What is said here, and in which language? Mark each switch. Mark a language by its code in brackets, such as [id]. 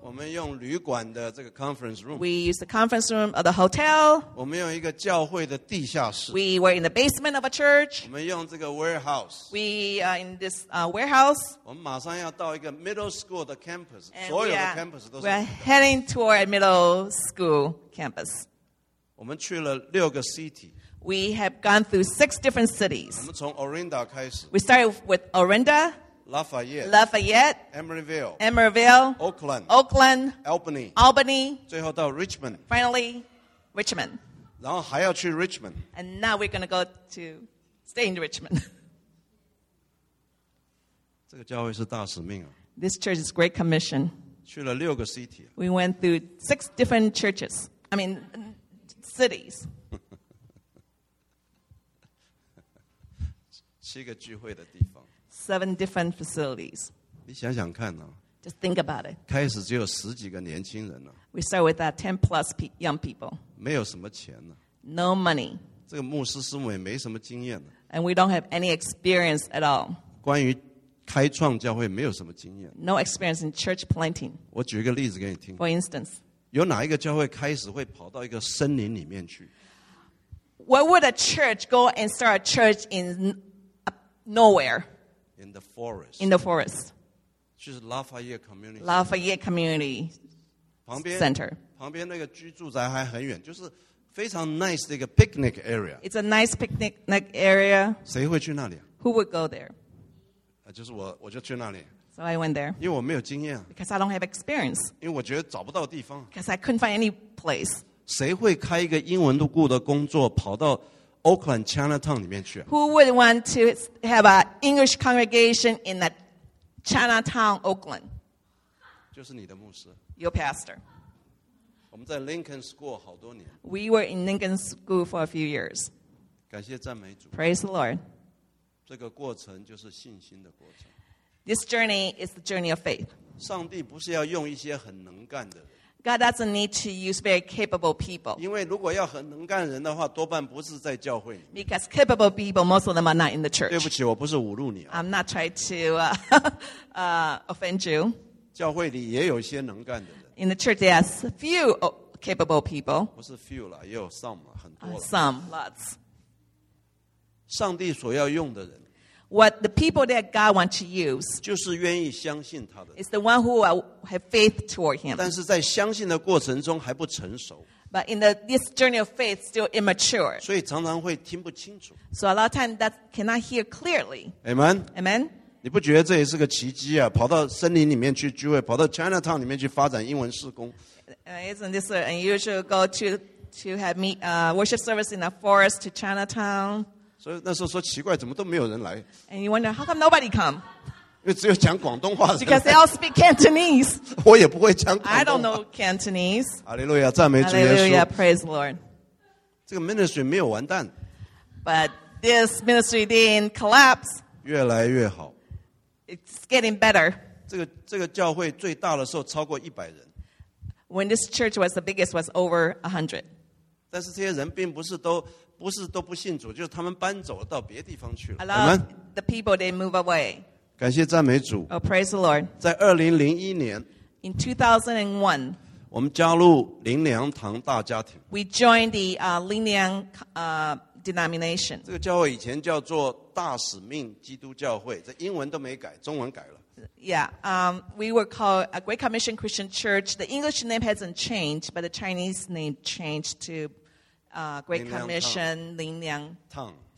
[zh] 我们用旅馆的这个 [en] conference room. We use the conference room of the hotel. [zh] 我们用一个教会的地下室。 [en] We were in the basement of a church. [zh] 我们用这个 warehouse. [en] We are in this warehouse. [zh] 我们马上要到一个 [en] middle school [zh] 的 campus. 所有的 campus 都是。 [en] We're heading toward a middle school campus. [zh] 我们去了六个 city. [en] We have gone through six different cities. [zh] 我们从 Orinda 开始。 [en] We started with Orinda. Lafayette, Emeryville, Oakland, Albany, [zh] 最后到 Richmond. [en] Finally, Richmond. [zh] 然后还要去 Richmond. [en] And now we're going to go to stay in Richmond. [zh] 这个教会是大使命啊。 [en] This church is great commission. [zh] 去了六个 city. [en] We went through six different churches. I mean, cities. [zh] 七个聚会的地方。 [en] Seven different facilities. [zh] 你想想看啊。 [en] Just think about it. [zh] 开始只有十几个年轻人啊。 [en] We start with that 10 plus young people. [zh] 没有什么钱啊。 [en] No money. [zh] 这个牧师师母也没什么经验啊。 [en] And we don't have any experience at all. [zh] 关于开创教会没有什么经验。 [en] No experience in church planting. [zh] 我举一个例子给你听。 [en] For instance. [zh] 有哪一个教会开始会跑到一个森林里面去？ [en] Why would a church go and start a church in nowhere? In the forest. In the forest. [zh] 就是 Lafayette Community. [en] Lafayette Community Center. [zh] 旁边那个居住宅还很远，就是非常 nice 的一个 [en] picnic area. It's a nice picnic area. [zh] 谁会去那里？ [en] Who would go there? [zh] 就是我就去那里。 [en] So I went there. [zh] 因为我没有经验。 [en] Because I don't have experience. [zh] 因为我觉得找不到地方。 [en] Because I couldn't find any place. [zh] 谁会开一个英文部的工作跑到？ Oakland Chinatown 里面去、啊、 [en] Who would want to have an English congregation in the Chinatown, Oakland? [zh] 就是你的牧师。 [en] Your pastor. [zh] 我们在 Lincoln School 好多年。 [en] We were in Lincoln School for a few years. [zh] 感谢赞美主。 [en] Praise the Lord. [zh] 这个过程就是信心的过程。 [en] This journey is the journey of faith. [zh] 上帝不是要用一些很能干的。 [en] God doesn't need to use very capable people. [zh] 因为如果要很能干人的话，多半不是在教会里面。 [en] Because capable people, most of them are not in the church. [zh] 对不起，我不是侮辱你、啊。 [en] I'm not trying to offend you. [zh] 教会里也有一些能干的人。 [en] In the church, there are few capable people. [zh] 不是 [en] few [zh] 啦，也有 [en] some [zh] 很多。 [en] Some lots. [zh] 上帝所要用的人。 [en] What the people that God wants to use [zh] 就是愿意相信他的 [en] is the one who have faith toward him. [zh] 但是在相信的过程中还不成熟 [en] But in this journey of faith, still immature. [zh] 所以常常会听不清楚 [en] So a lot of times that cannot hear clearly. Amen? Amen? [zh] 你不觉得这也是个奇迹啊？跑到森林里面去聚会，跑到 Chinatown 里面去发展英文事工。 [en] Isn't this unusual? Go to have meet worship service in a forest to Chinatown. [zh] 所以那时候说奇怪，怎么都没有人来。 [en] And you wonder how come nobody come? [zh] 因为只有讲广东话的人。 [en] Because they all speak Cantonese. [zh] 我也不会讲广东话。 [en] I don't know Cantonese. [zh] 哈利路亚，赞美主耶稣。 [en] Hallelujah, praise the Lord. [zh] 这个 ministry 没有完蛋。 [en] But this ministry didn't collapse. [zh] 越来越好。 [en] It's getting better. [zh] 这个教会最大的时候超过100人。 [en] When this church was the biggest, was over 100. [zh] 但是这些人并不是都不信主，就是他们搬走到别地方去了。 [en] A lot of the people they move away. [zh] 感谢赞美主。 [en] Oh, praise the Lord. [zh] 在2001年。 [en] In 2001. [zh] 我们加入灵粮堂大家庭。 [en] We joined the [zh] 灵粮 [en] denomination. [zh] 这个教会以前叫做大使命基督教会，这英文都没改，中文改了。 [en] Yeah, we were called a Great Commission Christian Church. The English name hasn't changed, but the Chinese name changed to Great Commission Linliang Tong.